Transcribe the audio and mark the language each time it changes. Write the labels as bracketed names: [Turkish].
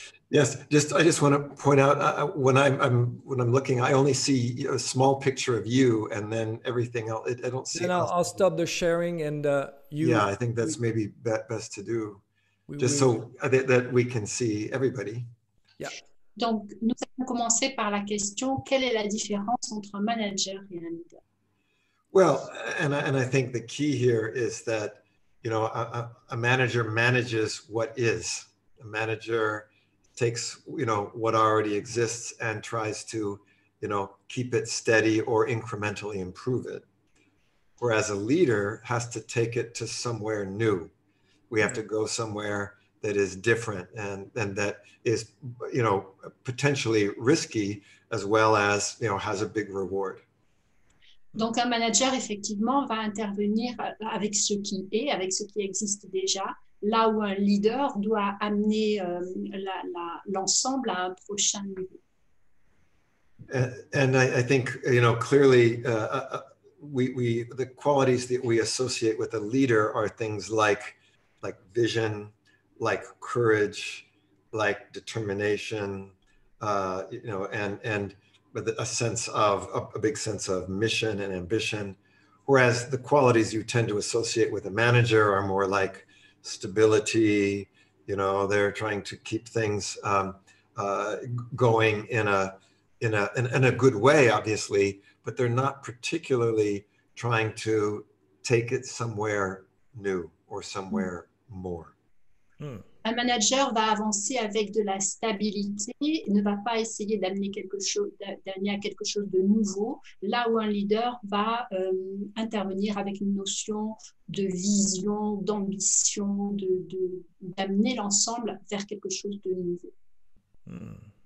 [English] Yes, I just want to point out when I'm looking, I only see a small picture of you, and then everything else I don't see. And I'll stop the sharing, and you. Yeah, I think that's maybe best to do, so that we can see everybody. Yeah. [French] Donc, nous allons commencer par la question, quelle est la différence entre un manager et un leader? [English] Well, and I think the key here is that, you know, a manager manages what is. A manager takes, you know, what already exists and tries to, you know, keep it steady or incrementally improve it. Whereas a leader has to take it to somewhere new. We have to go somewhere that is different and that is, you know, potentially risky as well as, you know, has a big reward. [French] Donc un manager effectivement va intervenir avec ce qui est, avec ce qui existe déjà, là où un leader doit amener l'ensemble à un prochain niveau. [English] And I think, you know, clearly we the qualities that we associate with a leader are things like vision, like courage, like determination, you know, and a sense of a big sense of mission and ambition. Whereas the qualities you tend to associate with a manager are more like stability, you know, they're trying to keep things going in a good way, obviously, but they're not particularly trying to take it somewhere new or somewhere more. [French] Un manager va avancer avec de la stabilité, ne va pas essayer d'amener à quelque chose de nouveau, là où un leader va intervenir avec une notion de vision, d'ambition, d'amener l'ensemble vers quelque chose de nouveau.